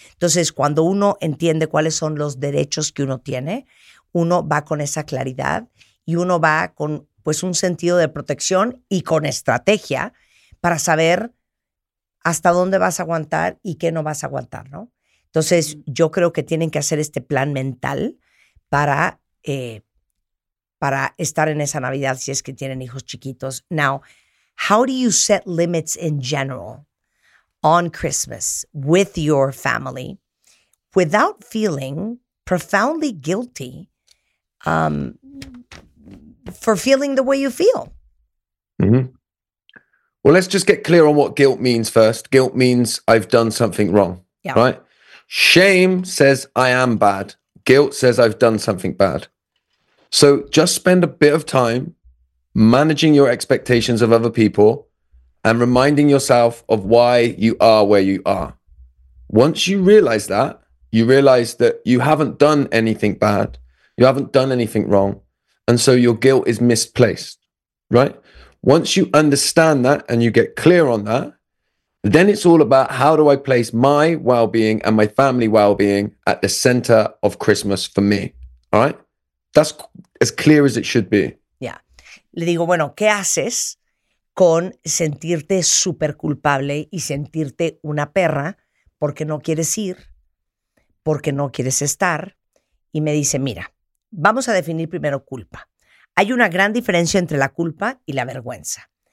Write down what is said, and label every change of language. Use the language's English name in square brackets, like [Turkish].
[Spanish] Entonces, cuando uno entiende cuáles son los derechos que uno tiene, uno va con esa claridad y uno va con pues un sentido de protección y con estrategia para saber hasta dónde vas a aguantar y qué no vas a aguantar, ¿no? Entonces, yo creo que tienen que hacer este plan mental para estar en esa Navidad si es que tienen hijos chiquitos. [English] Now, how do you set limits in general on Christmas with your family without feeling profoundly guilty for feeling the way you feel? Mm-hmm. Well, let's just get clear on what guilt means first. Guilt means I've done something wrong, yeah. Right? Shame says I am bad. Guilt says I've done something bad. So just spend a bit of time managing your expectations of other people and reminding yourself of why you are where you are. Once you realize that, you realize that you haven't done anything bad. You haven't done anything wrong. And so your guilt is misplaced, right? Once you understand that and you get clear on that, then it's all about how do I place my well-being and my family well-being at the center of Christmas for me, all right? That's as clear as it should be. Yeah. [Spanish] Le digo, bueno, ¿qué haces con sentirte súper culpable y sentirte una perra porque no quieres ir, porque no quieres estar? Y me dice, mira, vamos a definir primero culpa. Hay una gran diferencia entre la culpa y la vergüenza.